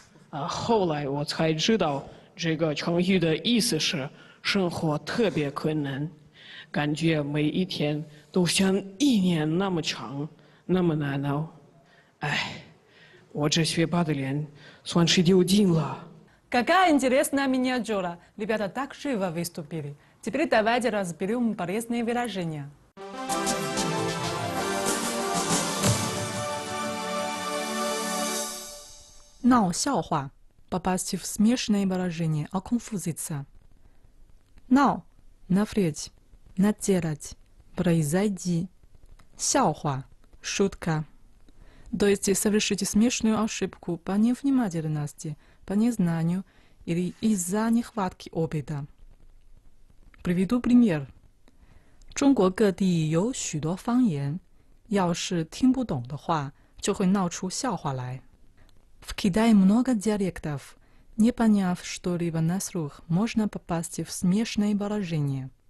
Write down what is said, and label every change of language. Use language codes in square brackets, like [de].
[zh] 后来我才知道，这个成语的意思是生活特别困难，感觉每一天都像一年那么长，那么难熬。哎，我这学霸的脸算是丢尽了。 [ru] Какая интересная миниатюра! Ребята так живо выступили. Теперь давайте разберем полезные выражения. Нао-сяохуа – попасть в смешанное выражение, оконфузиться. Нао – навредь, натерать, произойди. Сяохуа – шутка. То есть совершить смешную ошибку по невнимательности, по незнанию или из-за нехватки опыта. Приведу пример. [zh] 中国各地有许多方言, 要是听不懂的话,就会闹出笑话来. [ru] В Китае много диалектов. Не поняв что-либо на слух, можно попасть в смешное положение.